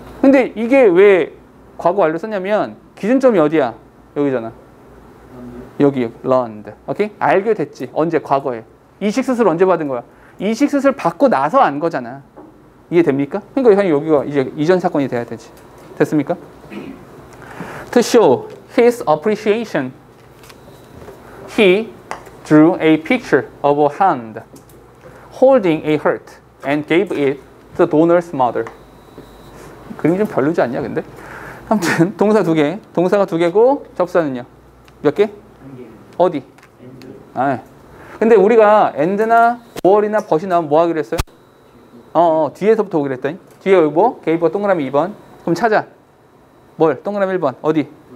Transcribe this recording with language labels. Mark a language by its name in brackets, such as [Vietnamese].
[Korean] 근데 이게 왜 과거 완료 썼냐면 기준점이 어디야? 여기잖아. 여기 learned. 오케이? 알게 됐지. 언제? 과거에. 이식 수술 언제 받은 거야? 이식 수술 받고 나서 안 거잖아. 이해됩니까? 그러니까 형이 여기가 이제 이전 사건이 돼야 되지. 됐습니까? [English] To show his appreciation, he drew a picture of a hand holding a heart and gave it the donor's mother. [Korean] 그림이 좀 별로지 않냐, 근데? 아무튼 동사 두 개. 동사가 두 개고 접사는요? 몇 개? 한 개. 어디? [English] end. [Korean] 아, 근데 우리가 end나 or이나 but이 나오면 뭐 하기로 했어요? 뒤에서부터 오기로 했더니 뒤에 여기 뭐? gave가 동그라미 2번. 그럼 찾아. 뭘? 동그라미 1번. 어디?